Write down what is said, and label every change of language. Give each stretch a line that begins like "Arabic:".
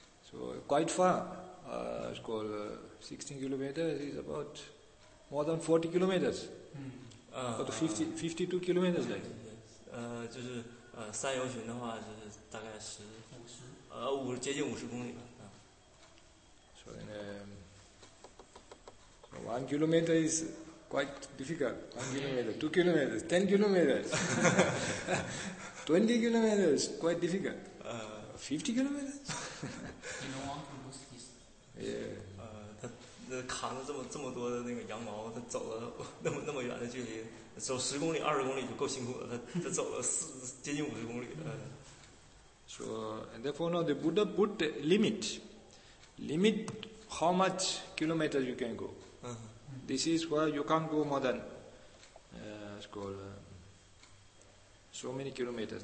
English: So quite far, it's called 16 kilometers is about more than 40 kilometers, about 52 kilometers like.
Chinese: 就是三游巡的话就是大概是接近50公里吧。
English: So then, 1 kilometer is quite difficult. 1 kilometer, 2 kilometers, 10 kilometers, 20 kilometers, quite difficult. 50 kilometers. You know, 1 kilometer. Yeah.
Chinese: 他扛着这么多的那个羊毛，他走了那么远的距离，走10公里、20公里就够辛苦了。他走了接近50公里。
English: So, and therefore, now the Buddha put a limit. Limit how much kilometers you can go. This is why you can't go more than, it's called, so many kilometers.